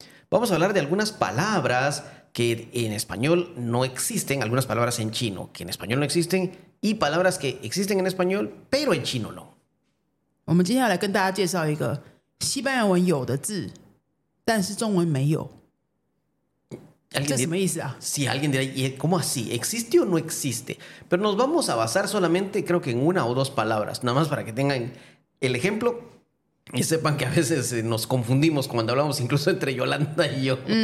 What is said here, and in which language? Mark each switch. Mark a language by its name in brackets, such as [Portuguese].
[Spanish] Vamos a hablar de algunas palabras que en español no existen, algunas palabras en chino que en español no existen y palabras que existen en español pero en chino no. [Chinese] 我们今天要来跟大家介绍一个西班牙文有的字，但是中文没有。 [Spanish] ¿Alguien ¿Qué es eso? Sí, alguien dirá, ¿cómo así? ¿Existe o no existe? Pero nos vamos a basar solamente, creo que en una o dos palabras, nada más para que tengan el ejemplo y sepan que a veces nos confundimos cuando hablamos incluso entre Yolanda y yo.